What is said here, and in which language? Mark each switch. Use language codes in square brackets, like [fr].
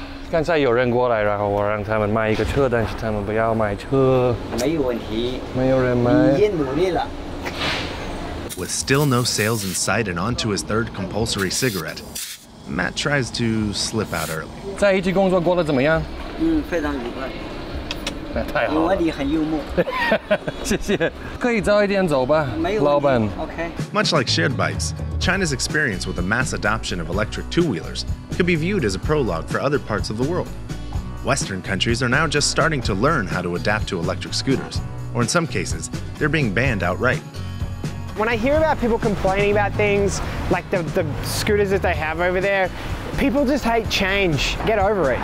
[zh] 刚才有人过来，然后我让他们卖一个车，但是他们不要买车。没有问题，没有人买。已经努力了。 [en] With still no sales in sight and onto his third compulsory cigarette, Matt tries to slip out early. [zh] 在一起工作过得怎么样？非常愉快。太好了，因为你很幽默。谢谢，可以早一点走吧，老板。 OK。 [en] Much like shared bikes, China's experience with the mass adoption of electric two-wheelers could be viewed as a prologue for other parts of the world. Western countries are now just starting to learn how to adapt to electric scooters, or in some cases, they're being banned outright. When I hear about people complaining about things, like the scooters that they have over there, people just hate change. Get over it.